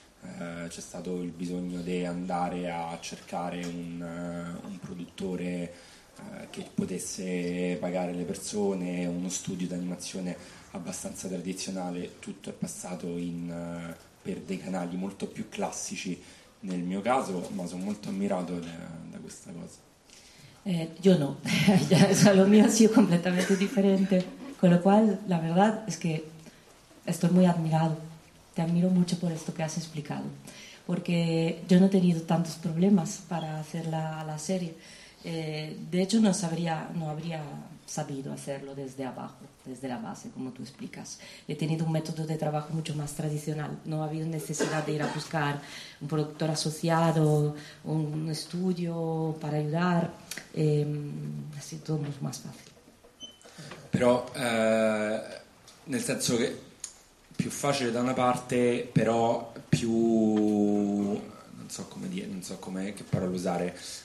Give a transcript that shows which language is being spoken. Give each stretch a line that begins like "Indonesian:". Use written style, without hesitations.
Italian: c'è stato il bisogno di andare a cercare un produttore che potesse pagare le persone, uno studio di animazione abbastanza tradizionale, tutto è passato per dei canali molto più classici nel mio caso, ma sono molto ammirato da questa cosa. Io no,
Spanish: lo mio ha sido completamente diferente, con lo cual la verdad es que estoy muy admirado, te admiro mucho por esto que has explicado, porque yo no he tenido tantos problemas para hacer la serie. De hecho no habría sabido hacerlo desde abajo, desde la base, como tú explicas. He tenido un método de trabajo mucho más tradicional, no ha habido necesidad de ir a buscar un productor asociado, un estudio para ayudar, ha sido todo mucho más fácil. Pero en el
Italian: senso que più facile da una parte, però più non so come che parola usare,